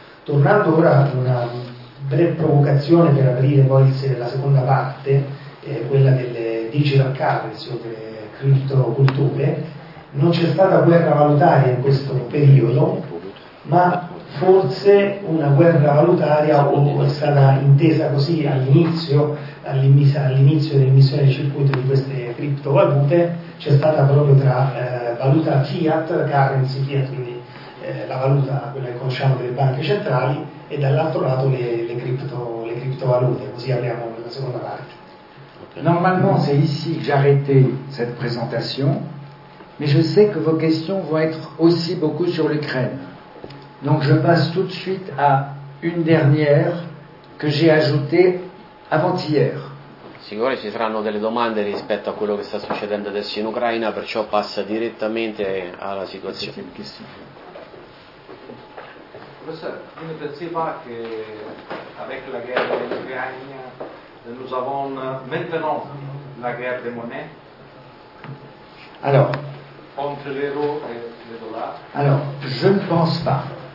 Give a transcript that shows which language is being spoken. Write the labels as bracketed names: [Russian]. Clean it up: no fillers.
[Italian] Tornando ora ad una breve provocazione per aprire poi la seconda parte, quella delle digital currency o delle criptoculture, non c'è stata guerra valutaria in questo periodo, ma forse una guerra valutaria o è stata intesa così all'inizio dell'emissione del circuito di queste criptovalute, c'è stata proprio tra valuta fiat, currency fiat, quindi la valuta, quella che conosciamo delle banche centrali, e dall'altro lato le criptovalute, così apriamo la seconda parte. [French] Normalement, c'est ici que j'arrêtais cette présentation, mais je sais que vos questions vont être aussi beaucoup sur l'Ukraine. Donc je passe tout de suite à une dernière que j'ai ajoutée avant-hier. [Italian] Signore, ci saranno delle domande rispetto a quello che sta succedendo adesso in Ucraina, perciò passa direttamente alla situazione. Professor, quindi perceva che [French] avec [Italian] la guerra in Ucraina [French] nous avons maintenant la guerre des monnaies. Alors, entre l'euro et le dollar. Alors, je ne pense pas.